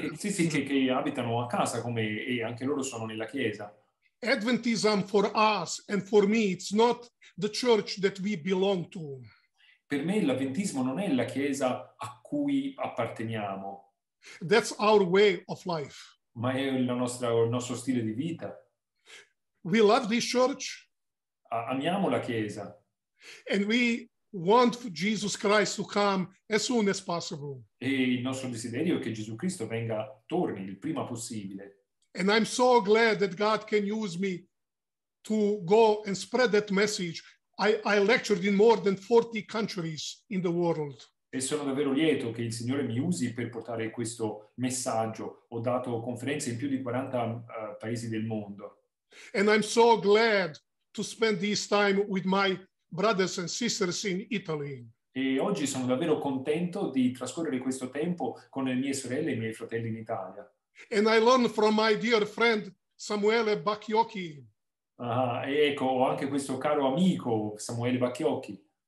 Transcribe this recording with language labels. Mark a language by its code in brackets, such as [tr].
[it] Che abitano a casa come e anche loro sono nella chiesa. [en] Adventism for us and for me it's not the church that we belong to. [it] Per me l'avventismo non è la chiesa a cui apparteniamo. [en] That's our way of life. [it] Ma è il nostro stile di vita. [en] We love this church. [it] Amiamo la chiesa. [en] And we want Jesus Christ to come as soon as possible. [it] E il nostro desiderio è che Gesù Cristo torni il prima possibile. [en] And I'm so glad that God can use me to go and spread that message. I lectured in more than 40 countries in the world. [it] E sono davvero lieto che il Signore mi usi per portare questo messaggio. Ho dato conferenze in più di 40 paesi del mondo. [en] And I'm so glad to spend this time with my brothers and sisters in Italy. [it] E oggi sono davvero contento di trascorrere questo tempo con le mie sorelle e i miei fratelli in Italia. [en] And I learned from my dear friend Samuele Bacchiocchi. [it] E ecco, ho anche questo caro amico Samuele Bacchiocchi.